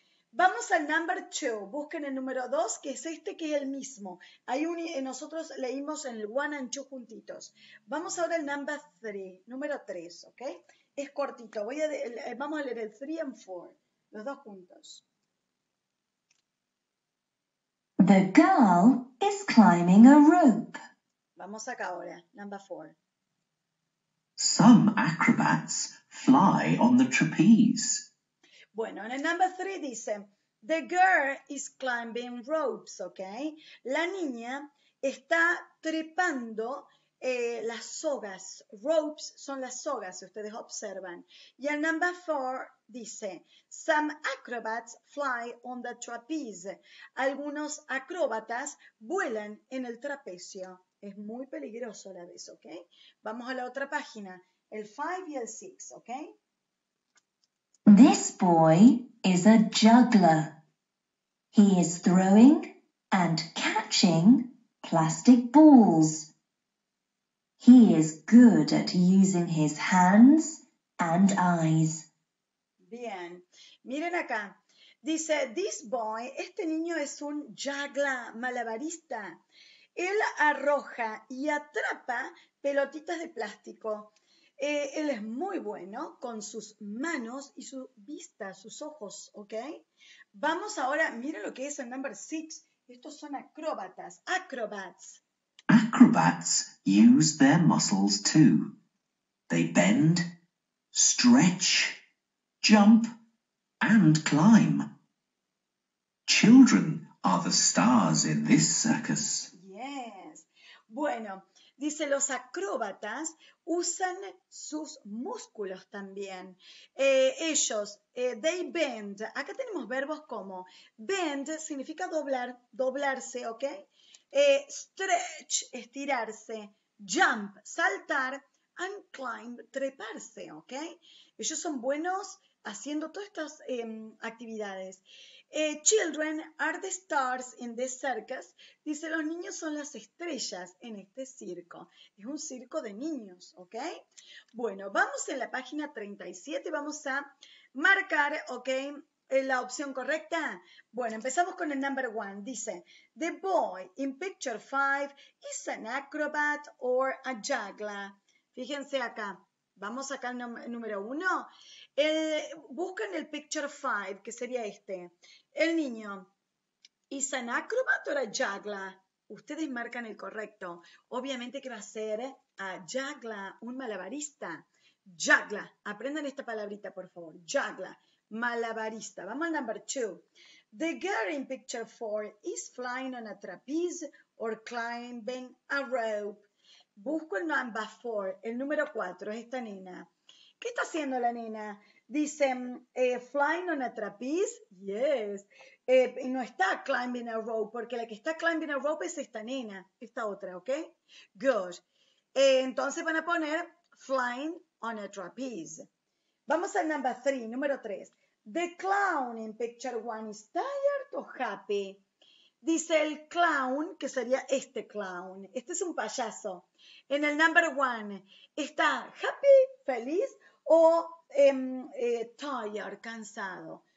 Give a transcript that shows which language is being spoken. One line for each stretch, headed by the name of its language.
Spanish: Vamos al number two, busquen el número dos, que es este que es el mismo. Hay un, nosotros leímos el one and two juntitos. Vamos ahora al number three, número tres, ¿ok? Es cortito, vamos a leer el three and four, los dos juntos.
English: The girl is climbing a rope.
Spanish: Vamos acá ahora, number four.
English: Some acrobats fly on the trapeze.
Spanish: Bueno, en el number three dice,
English: the girl is climbing ropes,
Spanish: ¿ok? La niña está trepando las sogas. Ropes son las sogas, si ustedes observan. Y el number four dice,
English: some acrobats fly on the trapeze.
Spanish: Algunos acróbatas vuelan en el trapecio. Es muy peligroso la vez, ¿ok? Vamos a la otra página, el five y el six, ¿ok?
English: This boy is a juggler. He is throwing and catching plastic balls. He is good at using his hands and eyes.
Spanish: Bien. Miren acá. Dice, this boy, este niño es un juggler, malabarista. Él arroja y atrapa pelotitas de plástico. Él es muy bueno con sus manos y su vista, sus ojos, ¿ok? Vamos ahora, mira lo que es el number six. Estos son acróbatas, acrobats.
English: Acrobats use their muscles too. They bend, stretch, jump, and climb. Children are the stars in this circus. Yes.
Spanish: Bueno, dice, los acróbatas usan sus músculos también. Ellos,
English: they bend.
Spanish: Acá tenemos verbos como bend, significa doblar, doblarse, ¿ok? Stretch, estirarse. Jump, saltar. And climb, treparse, ¿ok? Ellos son buenos haciendo todas estas actividades.
English: Children are the stars in this circus.
Spanish: Dice, los niños son las estrellas en este circo. Es un circo de niños, ¿ok? Bueno, vamos en la página 37. Vamos a marcar, ¿ok?, la opción correcta. Bueno, empezamos con el number one.
English: Dice, the boy in picture five is an acrobat or a juggler.
Spanish: Fíjense acá. Vamos acá al número uno. Buscan el picture five, que sería este. El niño. ¿Es un acrobat o a juggler? Ustedes marcan el correcto. Obviamente que va a ser a juggler, un malabarista. Juggler. Aprendan esta palabrita, por favor. Juggler. Malabarista. Vamos al number two.
English: The girl in picture four is flying on a trapeze or climbing a rope.
Spanish: Busco el number four, el número cuatro, es esta nena. ¿Qué está haciendo la nena?
English: Dice, flying on a trapeze, yes.
Spanish: Y no está climbing a rope, porque la que está climbing a rope es esta nena, esta otra, ¿ok?
English: Good.
Spanish: Entonces van a poner
English: flying on a trapeze.
Spanish: Vamos al number three, número tres.
English: The clown in picture one is tired or happy.
Spanish: Dice el clown, que sería este clown. Este es un payaso. En el number one, ¿está happy, feliz o tired, cansado?